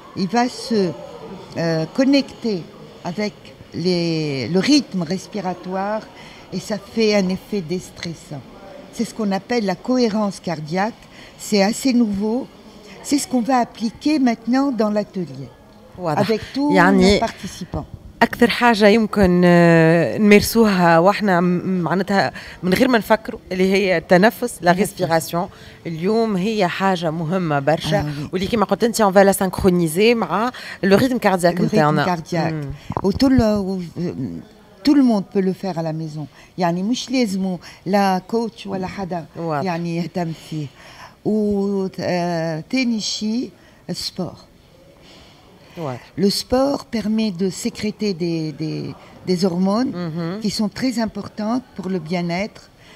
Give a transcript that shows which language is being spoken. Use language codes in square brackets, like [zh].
[fr] va se connecter avec le rythme respiratoire et ça fait un effet déstressant. C'est ce qu'on appelle la cohérence cardiaque. C'est assez nouveau. C'est ce qu'on va appliquer maintenant dans l'atelier avec tous nos participants. [ar] أكثر حاجة يمكن نمارسوها وإحنا معناتها من غير ما نفكر اللي هي التنفس لا ريسبيراسيون اليوم هي حاجة مهمة برشا واللي كما قلت أنت [fr] أونفا لا سانكرونيزي مع لو ريتم كاردياك [ar] نتاعنا [fr] Tout le monde peut le faire à la maison. [ar] يعني مش لازم لا كوتش ولا حدا يعني يهتم فيه. و تاني شيء السبور. [fr] Le sport permet de sécréter des hormones qui sont très importantes pour le bien-être.